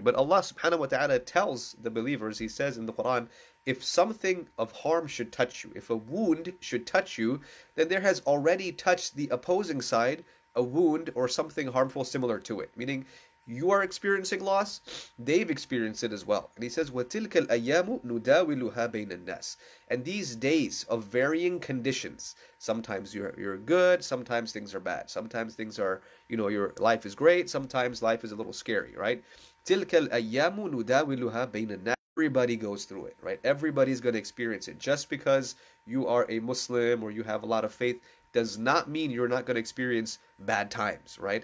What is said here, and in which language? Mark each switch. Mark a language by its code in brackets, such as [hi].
[en] But Allah subhanahu wa ta'ala tells the believers, He says in the Quran, if something of harm should touch you, if a wound should touch you, then there has already touched the opposing side a wound or something harmful similar to it. Meaning, you are experiencing loss, they've experienced it as well. [ar] And He says, وَتِلْكَ الْأَيَّامُ نُدَاوِلُهَا بَيْنَ النَّاسِ. [en] And these days of varying conditions, sometimes you're good, sometimes things are bad. Sometimes things are, you know, your life is great, sometimes life is a little scary, right? [ar] تِلْكَ الْأَيَّامُ نُدَاوِلُهَا بَيْنَ النَّاسِ. [en] Everybody goes through it, right? Everybody's going to experience it. Just because you are a Muslim or you have a lot of faith does not mean you're not going to experience bad times, right?